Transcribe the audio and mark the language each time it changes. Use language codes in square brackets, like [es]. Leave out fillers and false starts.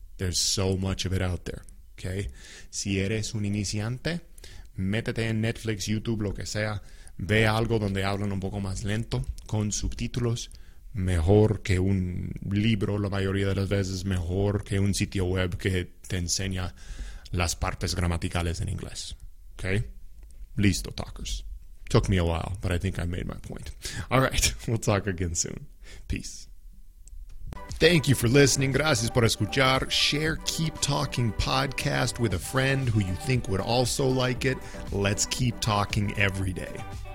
[en] There's so much of it out there, okay? [es] Si eres un iniciante, métete en Netflix, YouTube, lo que sea. Ve algo donde hablan un poco más lento, con subtítulos. Mejor que un libro, la mayoría de las veces. Mejor que un sitio web que te enseña las partes gramaticales en inglés, okay? Listo, talkers. [en] Took me a while, but I think I made my point. All right, we'll talk again soon. Peace. Thank you for listening. [es] Gracias por escuchar. [en] Share Keep Talking Podcast with a friend who you think would also like it. Let's keep talking every day.